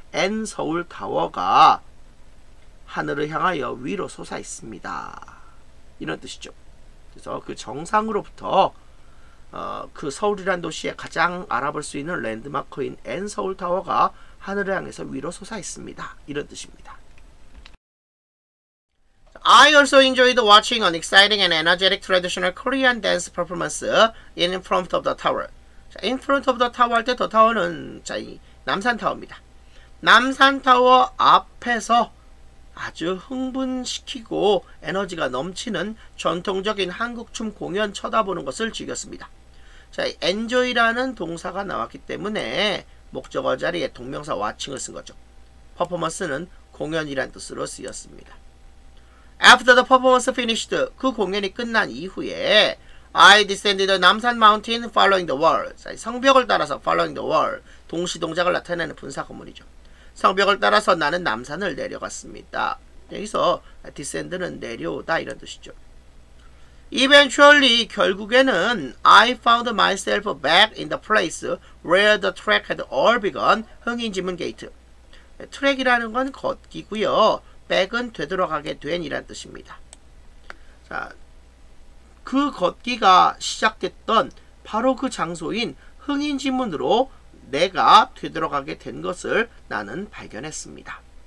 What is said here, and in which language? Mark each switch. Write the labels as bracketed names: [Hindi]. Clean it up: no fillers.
[Korean] N서울타워가 하늘을 향하여 위로 솟아있습니다. 이런 뜻이죠. 그래서 그 정상으로부터 그 서울이란 도시에 가장 알아볼 수 있는 랜드마크인 N서울타워가 하늘을 향해서 위로 솟아있습니다. 이런 뜻입니다. [English] I also enjoyed watching an exciting and energetic traditional Korean dance performance in front of the tower. [Korean] 자, [English] in front of the tower [Korean] 할 때 the tower는 남산타워입니다. 남산타워 앞에서 아주 흥분시키고 에너지가 넘치는 전통적인 한국춤 공연 쳐다보는 것을 즐겼습니다. 자, enjoy라는 동사가 나왔기 때문에 목적어 자리에 동명사 watching을 쓴 거죠. 퍼포먼스는 공연이란 뜻으로 쓰였습니다. [English] After the performance finished, [Korean] 그 공연이 끝난 이후에 [English] I descended the 남산 mountain following the wall. [Korean] 성벽을 따라서 [English] following the wall. [Korean] 동시동작을 나타내는 분사구문이죠. 성벽을 따라서 나는 남산을 내려갔습니다. 여기서 descend는 내려오다 이런 뜻이죠. [English] Eventually, [Korean] 결국에는 [English] I found myself back in the place where the track had all begun. [Korean] 흥인지문 게이트. 트랙이라는 건 걷기고요. back은 되돌아가게 된 이란 뜻입니다. 자, 그 걷기가 시작됐던 바로 그 장소인 흥인지문으로 내가 되돌아가게 된 것을 나는 발견했습니다.